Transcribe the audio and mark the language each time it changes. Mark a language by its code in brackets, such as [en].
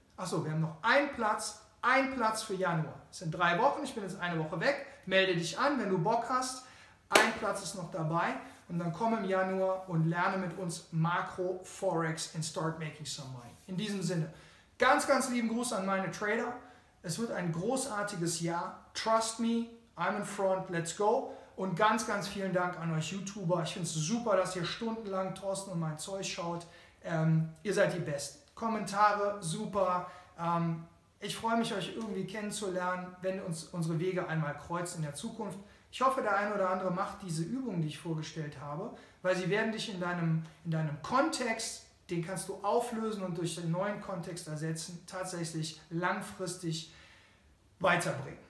[de] Achso, wir haben noch einen Platz für Januar. Es sind 3 Wochen, ich bin jetzt 1 Woche weg. Melde dich an, wenn du Bock hast. Ein Platz ist noch dabei. Und dann komm im Januar und lerne mit uns Makro Forex [en] and start making some money. [de] In diesem Sinne. Ganz, ganz lieben Gruß an meine Trader. Es wird ein großartiges Jahr. [en] Trust me, I'm in front, let's go. [de] Und ganz, ganz vielen Dank an euch YouTuber. Ich finde es super, dass ihr stundenlang Thorsten und mein Zeug schaut. Ihr seid die Besten. Kommentare, super. Ich freue mich, euch irgendwie kennenzulernen, wenn uns unsere Wege einmal kreuzen in der Zukunft. Ich hoffe, der eine oder andere macht diese Übungen, die ich vorgestellt habe, weil sie werden dich in deinem Kontext, den kannst du auflösen und durch den neuen Kontext ersetzen, tatsächlich langfristig weiterbringen.